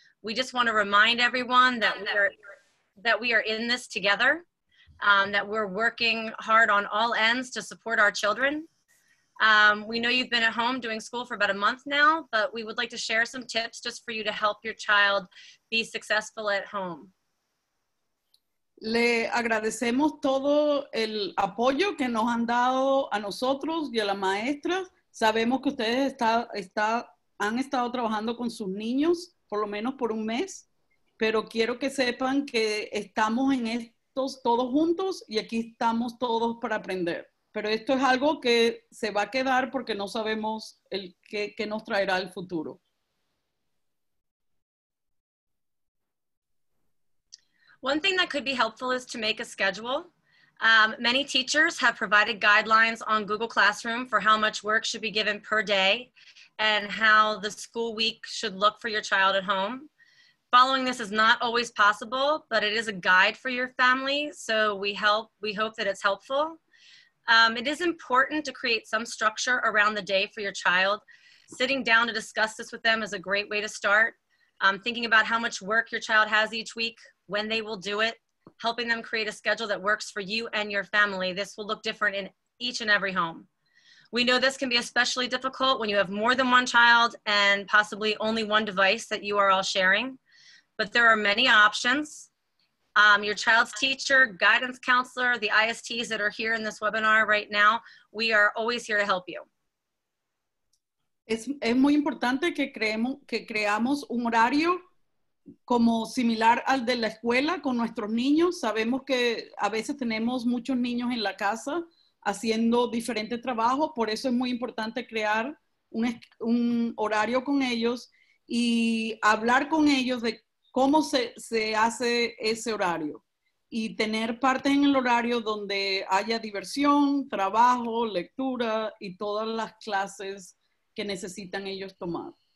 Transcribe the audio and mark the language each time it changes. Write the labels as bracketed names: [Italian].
[English] We just want to remind everyone that we are in this together, that we're working hard on all ends to support our children. We know you've been at home doing school for about a month now, but we would like to share some tips just for you to help your child be successful at home. [Spanish] Le agradecemos todo el apoyo que nos han dado a nosotros y a las maestras. Sabemos que ustedes han estado trabajando con sus niños por lo menos por un mes, pero quiero que sepan que estamos en estos todos juntos y aquí estamos todos para aprender. Pero esto es algo que se va a quedar porque no sabemos qué nos traerá el futuro. [English] One thing that could be helpful is to make a schedule. Many teachers have provided guidelines on Google Classroom for how much work should be given per day and how the school week should look for your child at home. Following this is not always possible, but it is a guide for your family, so we hope that it's helpful. It is important to create some structure around the day for your child. Sitting down to discuss this with them is a great way to start. Thinking about how much work your child has each week, when they will do it, helping them create a schedule that works for you and your family. This will look different in each and every home. We know this can be especially difficult when you have more than one child and possibly only one device that you are all sharing, but there are many options. Your child's teacher, guidance counselor, the ISTs that are here in this webinar right now, we are always here to help you. [Spanish] Es muy importante que creamos un horario como similar al de la escuela con nuestros niños. Sabemos que a veces tenemos muchos niños en la casa haciendo diferentes trabajos, por eso es muy importante crear un horario con ellos y hablar con ellos de cómo se hace ese horario y tener partes en el horario donde haya diversión, trabajo, lectura y todas las clases que necesitan ellos tomar.